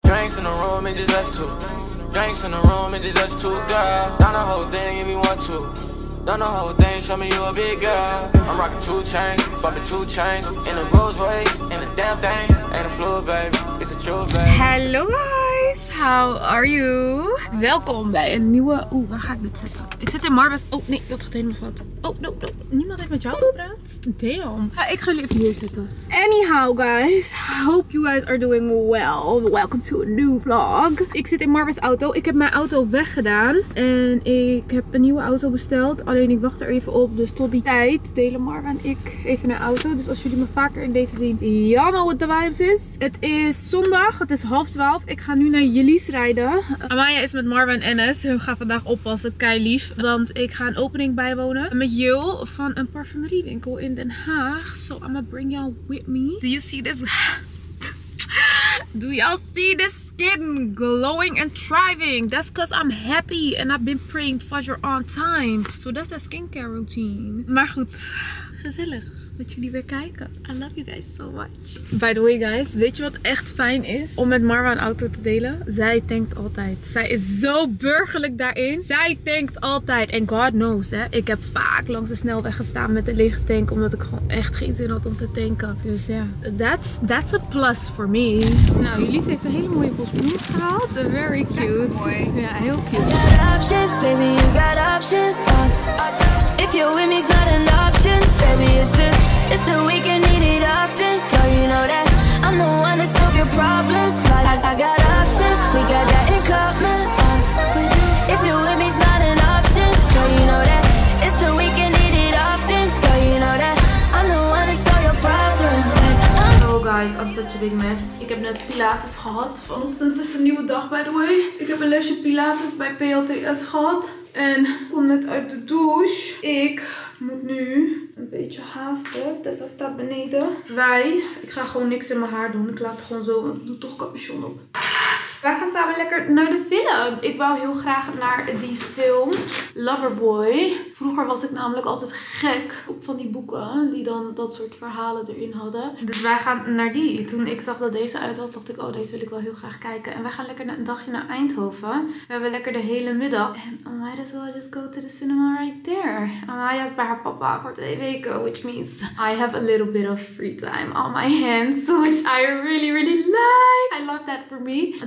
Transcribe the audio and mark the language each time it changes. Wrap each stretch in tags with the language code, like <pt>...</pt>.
<en>Drinks in the room, it just us two. Drinks in the room, it just us two, girl. Done the whole thing, give me one, two. Done the whole thing, show me you a big girl. I'm rockin' two chains, bumpin' two chains. In a Rolls Royce, in a damn thing. And a flu, baby, it's a true, baby. Hello, guys, how are you?</en> <nl>Welkom bij een nieuwe... Oeh, waar ga ik dit zetten? Ik zit in Marbeth. Oh, nee, dat gaat helemaal fout.</nl> <en>Oh, no, no.</en> <nl>Niemand heeft met jou gepraat? Damn. Ik ga jullie even hier zetten.</nl> <en>Anyhow, guys. Hope you guys are doing well. Welcome to a new vlog.</en> <nl>Ik zit in Marbeth's auto. Ik heb mijn auto weggedaan. En ik heb een nieuwe auto besteld. Alleen ik wacht er even op. Dus tot die tijd delen Marbeth en ik even een auto. Dus als jullie me vaker in deze zien,</nl> <en>y'all know what the vibes is.</en> <nl>Het is zondag. Het is 11:30. Ik ga nu naar Jelies rijden. Amaya is met Marbeth en Enes. Hun gaan vandaag oppassen. Kei lief. Want ik ga een opening bijwonen met Jill van een parfumeriewinkel in Den Haag.</nl> <en>So I'm gonna bring y'all with me. Do you see this? Do y'all see this skin glowing and thriving? That's cause I'm happy and I've been praying Fajr on time. So that's the skincare routine.</en> <nl>Maar goed, gezellig dat jullie weer kijken.</nl> <en>I love you guys so much. By the way guys,</en> <nl>weet je wat echt fijn is om met Marwa een auto te delen? Zij tankt altijd. Zij is zo burgerlijk daarin. Zij tankt altijd. En</nl> <en>God knows,</en> <nl>hè. Ik heb vaak langs de snelweg gestaan met een lege tank. Omdat ik gewoon echt geen zin had om te tanken. Dus ja,</nl> <en>that's a plus for me.</en> <nl>Nou, Jelies heeft een hele mooie bosbloem gehaald.</nl> <en>Very cute.</en> <nl>Ja, heel cute.</nl> <en>You got options, baby, you got options. If you're with me's not an option, baby, it's the weekend, need it often. Girl, you know that I'm the one to solve your problems. Like, I got options, we got that in common. If you're with me's not an option, girl, you know that it's the weekend, need it often. Girl, you know that I'm the one to solve your problems. Hello guys, I'm such a big mess.</en> <nl>Ik heb net Pilates gehad vanochtend. Het is een nieuwe dag,</nl> <en>by the way.</en> <nl>Ik heb een lesje Pilates bij PLTS gehad. En ik kom net uit de douche. Ik moet nu een beetje haasten. Tessa staat beneden. Ik ga gewoon niks in mijn haar doen. Ik laat het gewoon zo, want ik doe toch capuchon op. Wij gaan samen lekker naar de film. Ik wou heel graag naar die film Loverboy. Vroeger was ik namelijk altijd gek op van die boeken die dan dat soort verhalen erin hadden. Dus wij gaan naar die. Toen ik zag dat deze uit was, dacht ik, oh, deze wil ik wel heel graag kijken. En wij gaan lekker een dagje naar Eindhoven. We hebben lekker de hele middag.</nl> <en>En I might as well just go to the cinema right there. Amaya is bij haar papa voor 2 weken, which means I have a little bit of free time on my hands, which I really, really like. I love that for me.</en>